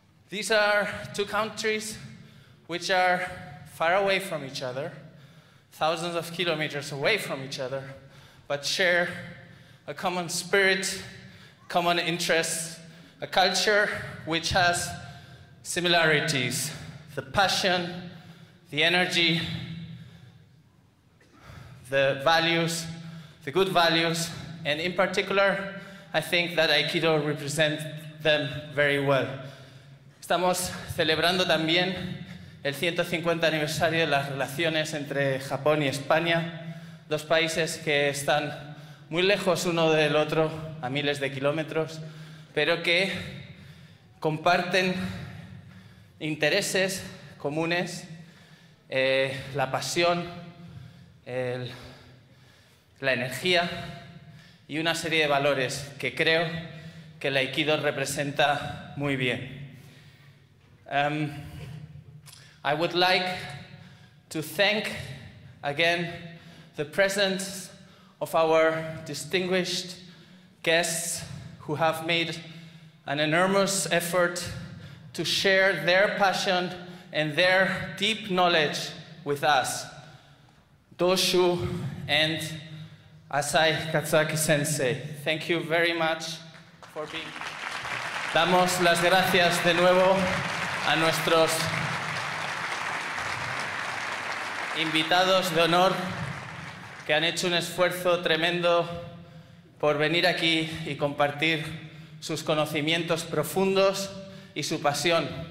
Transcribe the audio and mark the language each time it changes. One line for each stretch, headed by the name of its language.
English: These are two countries which are far away from each other, thousands of kilometers away from each other, but share a common spirit, common interests, a culture which has similarities. The passion, the energy, the values, the good values, and in particular, I think that Aikido represents them very well.
Spanish: Estamos celebrando también el 150 aniversario de las relaciones entre Japón y España, dos países que están muy lejos uno del otro, a miles de kilómetros, pero que comparten intereses comunes, la pasión, la energía y una serie de valores que creo que el Aikido representa muy bien.
English: I would like to thank again the presence of our distinguished guests who have made an enormous effort to share their passion and their deep knowledge with us, Doshu and Asai Katsuaki Sensei. Thank you very much for being here.
Spanish: Damos las gracias de nuevo a nuestros invitados de honor que han hecho un esfuerzo tremendo por venir aquí y compartir sus conocimientos profundos y su pasión.